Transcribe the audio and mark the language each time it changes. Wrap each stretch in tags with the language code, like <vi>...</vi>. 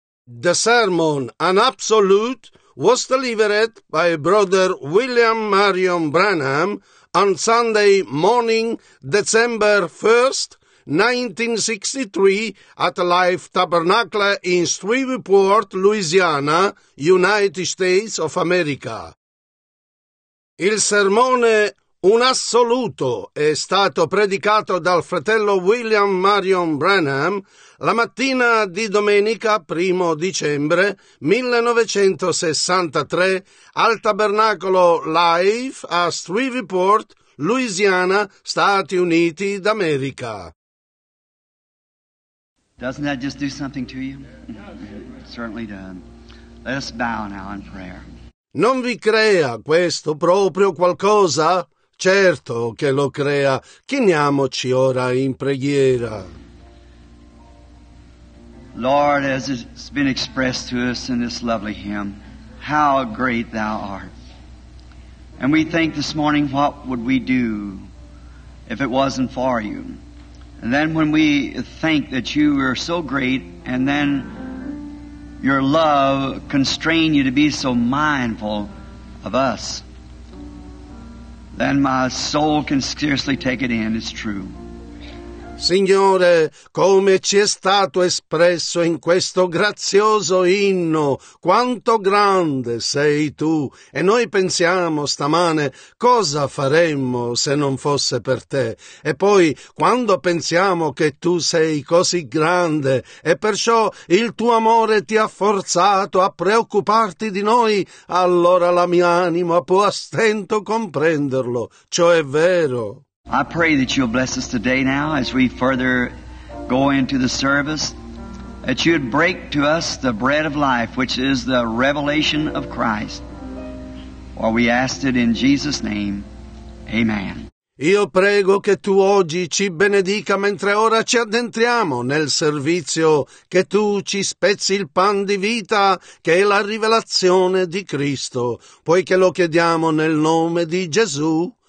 <en>The sermon, An Absolute, was delivered by Brother William Marion Branham on Sunday morning, December 1st, 1963, at Life Tabernacle in Shreveport, Louisiana, United States of America.</en> <it>Il sermone Un Assoluto è stato predicato dal fratello William Marion Branham la mattina di domenica 1 dicembre 1963 al Tabernacolo Life a Shreveport, Louisiana, Stati Uniti d'America.</it> <en>Doesn't that just do something to you? Certainly does. Let us bow now in prayer.</en> <it>Non vi crea questo proprio qualcosa? Certo che lo crea. Chiniamoci ora in preghiera.</it> <en>Lord, as it's been expressed to us in this lovely hymn, how great thou art. And we think this morning, what would we do if it wasn't for you? And then when we think that you are so great, and then your love constrain you to be so mindful of us, then my soul can scarcely take it in, it's true.</en> <it>Signore, come ci è stato espresso in questo grazioso inno, quanto grande sei tu! E noi pensiamo stamane, cosa faremmo se non fosse per te? E poi, quando pensiamo che tu sei così grande, e perciò il tuo amore ti ha forzato a preoccuparti di noi, allora la mia anima può a stento comprenderlo, ciò è vero.</it> <en>I pray that you'll bless us today now as we further go into the service, that you'd break to us the bread of life, which is the revelation of Christ. For we ask it in Jesus' name. Amen.</en> <it>Io prego che tu oggi ci benedica mentre ora ci addentriamo nel servizio, che tu ci spezzi il pan di vita, che è la rivelazione di Cristo, poiché lo chiediamo nel nome di Gesù.</it>